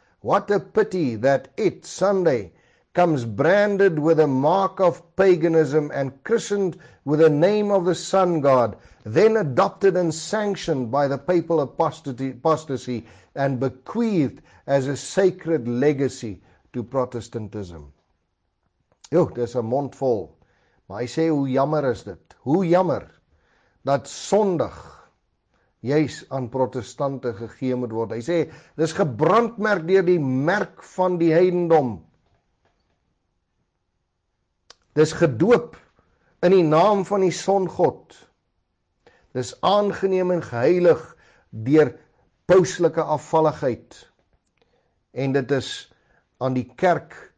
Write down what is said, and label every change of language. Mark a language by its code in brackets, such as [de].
[en] What a pity that it, Sunday, comes branded with a mark of paganism and christened with the name of the sun god, then adopted and sanctioned by the papal apostasy and bequeathed as a sacred legacy to Protestantism. [af] Jo, dis 'n mondvol. Maar hy sê, hoe jammer is dit? Hoe jammer dat Sondag juis aan protestante gegee moet word. Hy sê, dis gebrandmerk deur die merk van die heidendom. Dis gedoop in die naam van die songod. Dis aangeneem en geheilig deur pauslike afvalligheid. En dit is aan die kerk